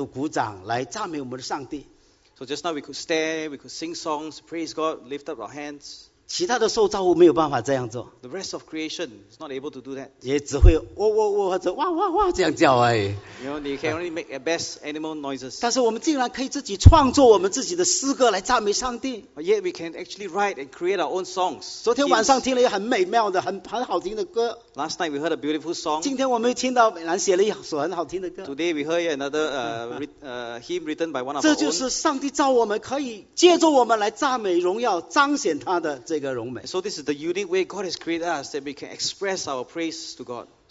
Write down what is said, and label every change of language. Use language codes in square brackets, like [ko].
[zh] 刚才我们可以站起来，我们可以举手，我们读鼓掌来赞美我们的上帝。 [en] So just now we could stand, we could sing songs, praise God, lift up our hands. [zh] 其他的受造物没有办法这样做。 [en] The rest of creation is not able to do that. [zh] 也只会喔喔喔或者哇哇哇这样叫而已。 [en] You know, you can only make the best animal noises. [zh] 但是我们竟然可以自己创作我们自己的诗歌来赞美上帝。 [en] But yet we can actually write and create our own songs. [zh] 昨天晚上听了一个很美妙的、很好听的歌。 [en] Last night we heard a beautiful song. [zh] 今天我们又听到美兰写了一首很好听的歌。 [en] Today we heard another hymn written by one of our own. [zh] 这就是上帝造我们可以借助我们来赞美荣耀、彰显他的。 [en] So this is the unique way God has created us that we can express our praise to God.